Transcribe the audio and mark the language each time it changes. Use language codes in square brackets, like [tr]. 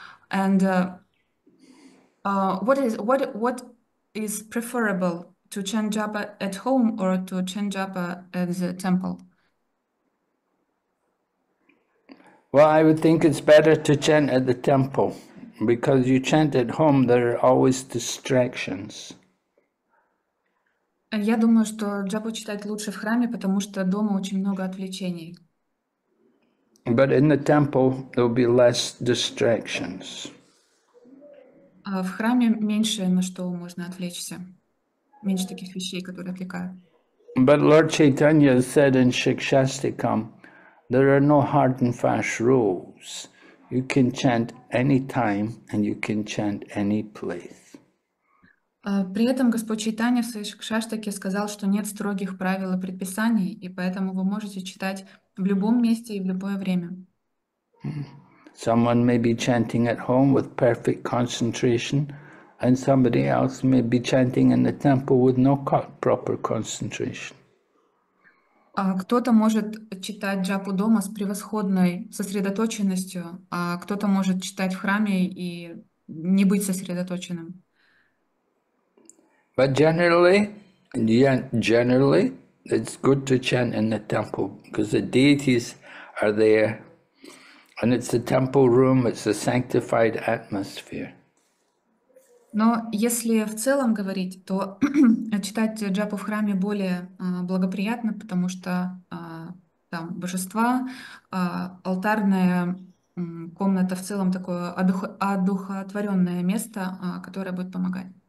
[en] And what is preferable, to chant japa at home or to chant japa at the temple? Well, I would think it's better to chant at the temple. Because you chant at home, there are always distractions. [ru] Я думаю, что джапу читать лучше в храме, потому что дома очень много отвлечений. [en] But in the temple there will be less distractions. [ru] В храме меньше на что можно отвлечься, меньше таких вещей, которые отвлекают. [en] But Lord Chaitanya said in Shikshastikam, there are no hard and fast rules. You can chant any time, and you can chant any place. [ru] При этом Господь Чайтанья в своей шикшаштаке сказал, что нет строгих правил и предписаний, и поэтому вы можете читать в любом месте и в любое время. [en] Someone may be chanting at home with perfect concentration, and somebody else may be chanting in the temple with no proper concentration. [ru] Кто-то может читать джапу дома с превосходной сосредоточенностью, а кто-то может читать в храме и не быть сосредоточенным. [en] But generally, generally, it's good to chant in the temple, because the deities are there, and it's the temple room, it's a sanctified atmosphere. [ru] Но если в целом говорить, то читать джапу в храме более благоприятно, потому что там, божества, алтарная комната, в целом такое одухотворенное место, которое будет помогать.